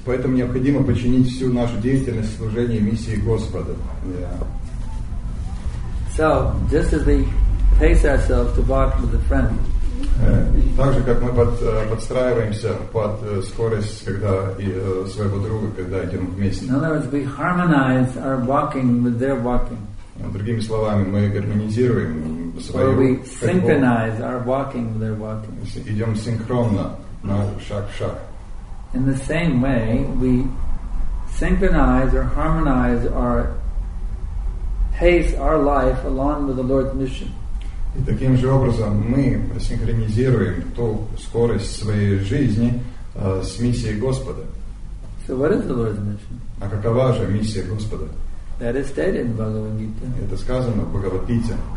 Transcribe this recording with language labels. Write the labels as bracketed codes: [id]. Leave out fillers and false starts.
[ru] Поэтому необходимо подчинить всю нашу деятельность служению миссии Господа. [en] So, just as we pace ourselves to walk with a friend. [ru] Так же, как мы подстраиваемся под скорость, когда и своего друга, когда идем вместе. [en] In other words, we harmonize our walking with their walking. [ru] Другими словами, мы гармонизируем свою ходьбу. [en] We synchronize our walking with their walking. [ru] Идем синхронно, на шаг в шаг. [en] In the same way, we synchronize or harmonize our pace, our life, along with the Lord's mission. [ru] И таким же образом мы синхронизируем ту скорость своей жизни с миссией Господа. [en] So what is the Lord's mission? [ru] А какова же миссия Господа? [en] That is stated in Bhagavad Gita. [ru] Это сказано в Бхагавад-гите.